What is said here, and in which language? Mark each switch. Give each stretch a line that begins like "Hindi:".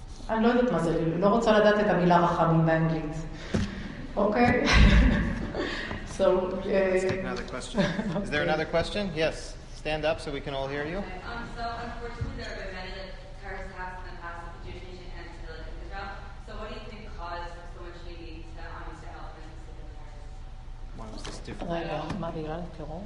Hebrew: אני לא יודעת מה זה, לא רוצה לדעת את המילה רחמים באנגלית. אוקיי? So,
English: another question. Is there another question? Yes. Stand up so we can all hear you. So, unfortunately, there have been many terrorist attacks in the past of the Jewish nation and Israel. So, what do you think caused so much hating to Israel and specific terrorists?
Hebrew: מה זה סטיפור? מה בגלל טרור?